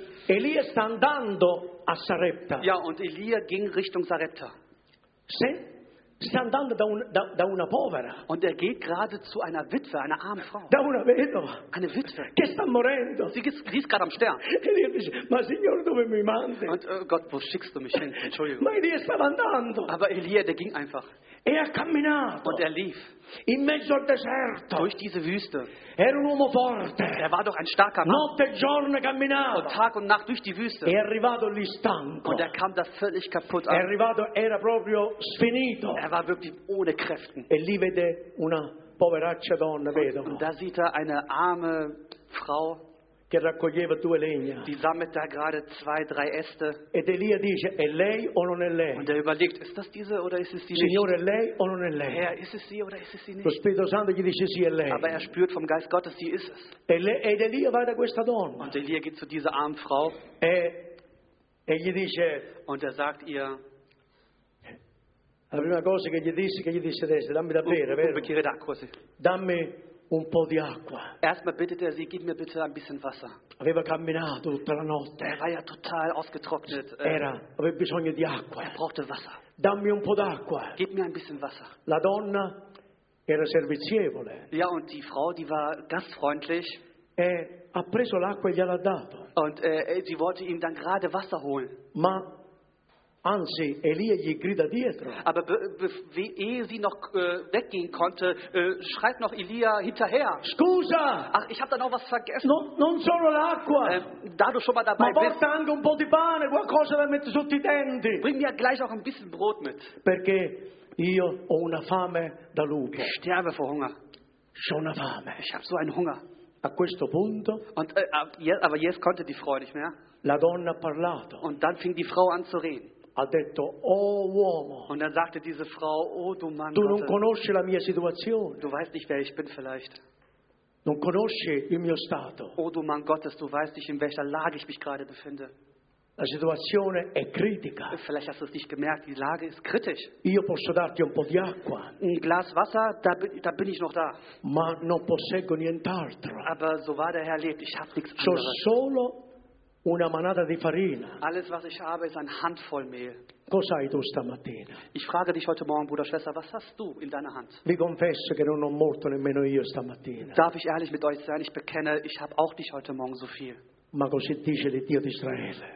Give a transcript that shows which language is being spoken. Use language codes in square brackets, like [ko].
[it] Elia sta andando a Sarepta. [de] Ja, und Elia ging Richtung Sarepta. [it] Sì. Sta andando da una povera. [de] Und er geht gerade zu einer Witwe, einer armen Frau. [it] Da una vedova. [de] Eine Witwe. [it] Che sta morendo. [de] Sie ist gerade am Stern. [it] Elia dice, ma signore dove mi mandi? [de] Und Gott, wo schickst du mich hin? Entschuldigung. [it] Ma Elia stava andando. [de] Aber Elia, der ging einfach. [it] E ha camminato. [de] Und er lief. [it] In mezzo al deserto. [de] Durch diese Wüste. [it] Era un uomo forte. [de] Er war doch ein starker Mann. [it] Notte e giorno camminava. [de] Und Tag und Nacht durch die Wüste. [it] È arrivato lì stanco. [de] Und er kam da völlig kaputt. [it] È arrivato, era proprio sfinito. [de] Er war wirklich ohne Kräften. [it] E lì vede una poveraccia donna, vedo. [de] Und da sieht er eine arme Frau, [it] che raccoglieva due legna. [de] Die sammelt da gerade zwei, drei Äste. [it] Ed Elia dice, è lei o non è lei? [de] Und er überlegt, ist das diese oder ist es sie [it] nicht? Signore, lei o non è lei? [de] Herr, ist es sie oder ist es sie nicht? [it] Lo Spirito Santo gli dice, sì, è lei. [de] Aber er spürt vom Geist Gottes, sie ist es. [it] Ed Elia va da questa donna. [de] Und Elia geht zu dieser armen Frau. [it] E gli dice, [de] und er sagt ihr, [it] la prima cosa che gli disse adesso, dammi da bere, vero? Un bicchiere d'acqua, sì. Dammi un po' di acqua. [de] Erstmal bittet er sie, gib mir bitte ein bisschen Wasser. [it] Aveva camminato tutta la notte. [de] Er war ja total ausgetrocknet. [it] Era, aveva bisogno di acqua. [de] Er brauchte Wasser. [it] Dammi un po' d'acqua. [de] Gib mir ein bisschen Wasser. [it] La donna era servizievole. [de] Ja, und die Frau, die war gastfreundlich. [it] E ha preso l'acqua e gliel'ha dato. [de] Und sie wollte ihm dann gerade Wasser holen. [it] Ma anzi, Elia gli grida dietro. [de] Aber ehe sie noch weggehen konnte, schreit noch Elia hinterher. [it] Scusa! [de] Ach, ich habe da noch was vergessen. [it] Non solo l'acqua. [de] Da du schon mal dabei [it] ma [de] bist. [it] Ma porta anche un po' di pane, qualcosa da mettere sotto i denti. [de] Bring mir gleich auch ein bisschen Brot mit. [it] Perché io ho una fame da lupo. [de] Ich sterbe vor Hunger. [it] C'ho una fame. [de] Ich habe so einen Hunger. [it] A questo punto. [de] Und, aber jetzt konnte die Frau nicht mehr. [it] La donna ha parlato. [de] Und dann fing die Frau an zu reden. [it] Ha detto, oh uomo, [de] und dann sagte diese Frau, oh du Mann, [it] du non conosci la mia situazione. [de] Du weißt nicht, wer ich bin vielleicht. [it] Non conosci il mio stato. [de] Oh du Mann Gottes, du weißt nicht, in welcher Lage ich mich gerade befinde. [it] La situazione è critica. [de] Vielleicht hast du es nicht gemerkt, die Lage ist kritisch. [it] Io posso darti un po' di acqua. [de] Ein Glas Wasser, da bin ich noch da. [it] Ma non posseggo nient'altro. [de] Aber so war der Herr lebt, ich habe nichts so anderes. [it] Solo una manata di farina. [de] Alles, was ich habe, ist ein Handvoll Mehl. [it] Cosa hai tu stamattina? [de] Ich frage dich heute Morgen, Bruder, Schwester, was hast du in deiner Hand? [it] Vi confesso che non ho molto nemmeno io stamattina. [de] Darf ich ehrlich mit euch sein? Ich bekenne, ich habe auch nicht heute Morgen so viel. [it] Ma così dice il Dio d'Israele.